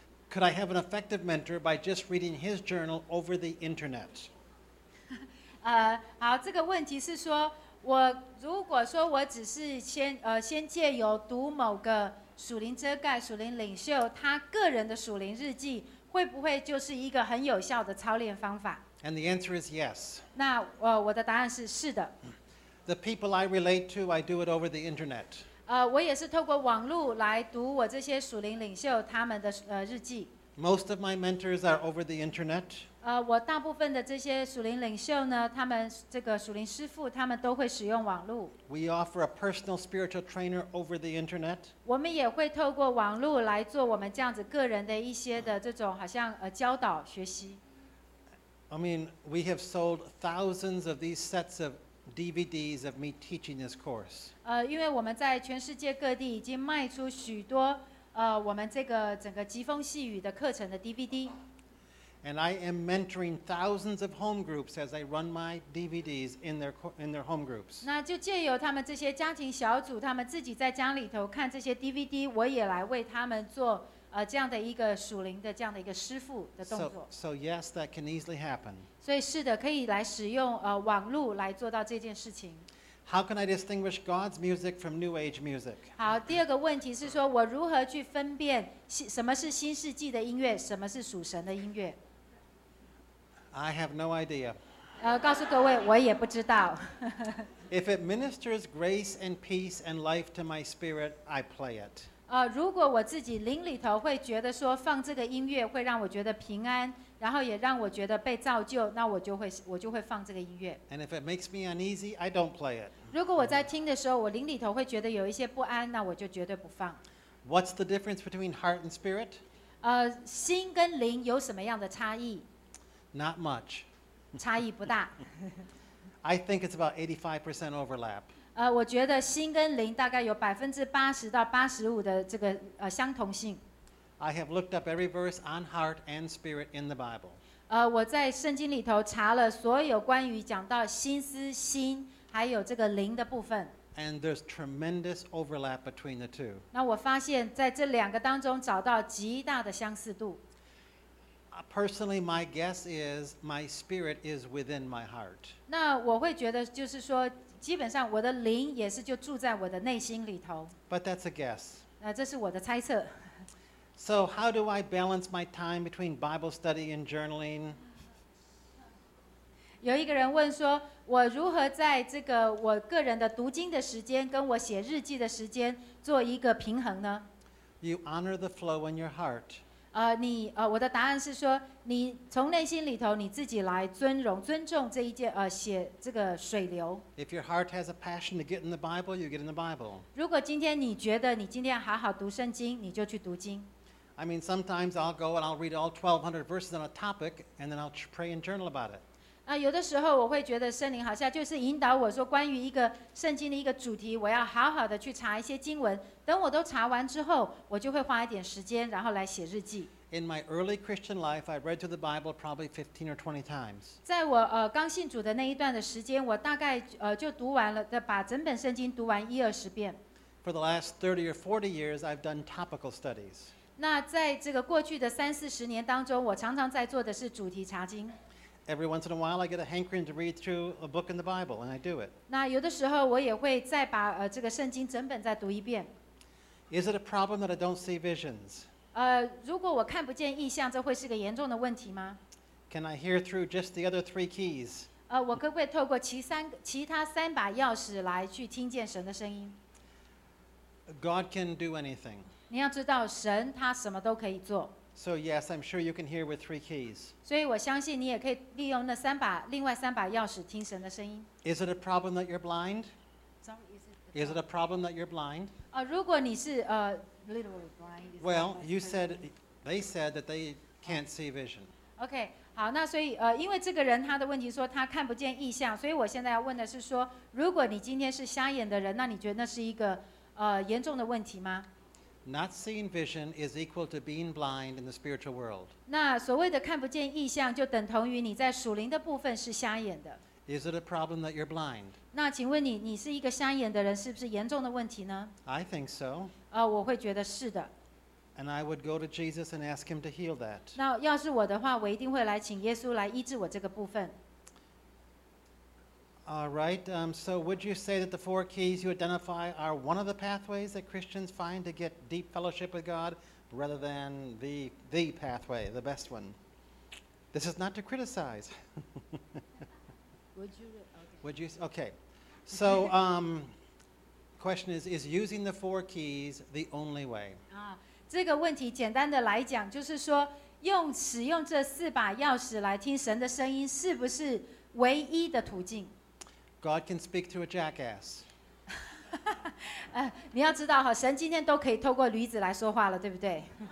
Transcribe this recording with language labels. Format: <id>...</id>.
<en>Could I have an effective mentor by just reading his journal over the internet?</en> <zh>好，这个问题是说，我如果说我只是先借由读某个属灵遮盖、属灵领袖他个人的属灵日记，会不会就是一个很有效的操练方法？</zh> <en>And the answer is yes.</en> <zh>那我的答案是是的。</zh> <en>The people I relate to, I do it over the internet.</en> <zh>我也是透过网络来读我这些属灵领袖他们的日记。</zh> <en>Most of my mentors are over the internet.</en> <zh>我大部分的这些属灵领袖呢，他们这个属灵师父，他们都会使用网络。</zh> <en>We offer a personal spiritual trainer over the internet.</en> <zh>我们也会透过网络来做我们这样子个人的一些的这种好像教导学习。</zh> <en>I mean, we have sold thousands of these sets of DVDs of me teaching this course.</en> <zh>因为我们在全世界各地已经卖出许多。我们这个整个疾风细雨的课程的 DVD，</zh> <en>and I am mentoring thousands of home groups as I run my DVDs in their home groups。</en> <zh>那就借由他们这些家庭小组，他们自己在家里头看这些 DVD， 我也来为他们做这样的一个属灵的这样的一个师父的动作。</zh> <en>So yes, that can easily happen。</en> <zh>所以是的，可以来使用网络来做到这件事情。</zh> <en>How can I distinguish God's music from New Age music?</en> <zh>好，第二个问题是说，我如何去分辨什么是新世纪的音乐，什么是属神的音乐？</zh> <en>I have no idea.</en> <zh>告诉各位，我也不知道。</zh> <en>If it ministers grace and peace and life to my spirit, I play it.</en> <zh>如果我自己灵里头会觉得说放这个音乐会让我觉得平安，然后也让我觉得被造就，那我就会放这个音乐。</zh> <en>And if it makes me uneasy, I don't play it.</en> <zh>如果我在听的时候，我灵里头会觉得有一些不安，那我就绝对不放。</zh> <en>What's the difference between heart and spirit?</en> <zh>心跟灵有什么样的差异？</zh> <en>Not much.</en> <zh>差异不大。</zh> <en>I think it's about 85% overlap.</en> <zh>我觉得心跟灵大概有80%-85%的这个相同性。</zh> <en>I have looked up every verse on heart and spirit in the Bible.</en> <zh>我在圣经里头查了所有关于讲到心思、心还有这个灵的部分。</zh> <en>And there's tremendous overlap between the two.</en> <zh>那我发现在这两个当中找到极大的相似度。</zh> <en>Personally, my guess is my spirit is within my heart.</en> <zh>那我会觉得就是说，基本上我的灵也是就住在我的内心里头。</zh> <en>But that's a guess.</en> <zh>这是我的猜测。</zh> <en>So how do I balance my time between Bible study and journaling?</en> <zh>有一个人问说，我如何在这个我个人的读经的时间跟我写日记的时间做一个平衡呢？</zh> <en>You honor the flow in your heart.</en> <zh>我的答案是说，你从内心里头你自己来尊重这一件写这个水流。</zh> <en>If your heart has a passion to get in the Bible, you get in the Bible.</en> <zh>如果今天你觉得你今天好好读圣经，你就去读经。</zh> <en>I mean, sometimes I'll go and I'll read all 1,200 verses on a topic, and then I'll pray and journal about it.</en> <zh>有的时候我会觉得圣灵好像就是引导我说，关于一个圣经的一个主题，我要好好的去查一些经文。等我都查完之后，我就会花一点时间，然后来写日记。</zh> <en>In my early Christian life, I read through the Bible probably 15 or 20 times.</en> <zh>在我刚信主的那一段的时间，我大概就读完了，把整本圣经读完一二十遍。</zh> <en>For the last 30 or 40 years, I've done topical studies.</en> <zh>那在这个过去的三四十年当中，我常常在做的是主题查经。</zh> <en>Every once in a while, I get a hankering to read through a book in the Bible, and I do it.</en> <zh>那有的时候我也会再把这个圣经整本再读一遍。</zh> <en>Is it a problem that I don't see visions?</en> <zh>如果我看不见异象，这会是个严重的问题吗？</zh> <en>Can I hear through just the other three keys?</en> <zh>我可不可以透过其他三把钥匙来去听见神的声音？</zh> <en>God can do anything.</en> <zh>你要知道，神他什么都可以做。</zh> <en>So yes, I'm sure you can hear with three keys.</en> <zh>所以我相信你也可以利用那三把另外三把钥匙听神的声音。</zh> <en>Is it a problem that you're blind? Is it a problem that you're blind?</en> <zh>如果你是</zh> <en>literally blind. Well, you said they said that they can't see vision.</en> <zh>Okay, 好，那所以因为这个人他的问题说他看不见异象，所以我现在要问的是说，如果你今天是瞎眼的人，那你觉得那是一个严重的问题吗？</zh> <en>Not seeing vision is equal to being blind in the spiritual world.</en> <zh>那所谓的看不见异象就等同于你在属灵的部分是瞎眼的。</zh> <en>Is it a problem that you're blind?</en> <zh>那请问你，你是一个瞎眼的人，是不是严重的问题呢？</zh> <en>I think so.</en> <zh>我会觉得是的。</zh> <en>And I would go to Jesus and ask him to heal that.</en> <zh>那要是我的话，我一定会来请耶稣来医治我这个部分。</zh> <en>All right, so would you say that the four keys you identify are one of the pathways that Christians find to get deep fellowship with God rather than the pathway, the best one? This is not to criticize. Would you? Okay. So, question is using the four keys the only way?</en> <zh>这个问题简单的来讲，就是说用使用这四把钥匙来听神的声音是不是唯一的途径？</zh> <en>God can speak through a jackass.</en> <zh>你要知道哈，神今天都可以透过驴子来说话了，对不对？</zh>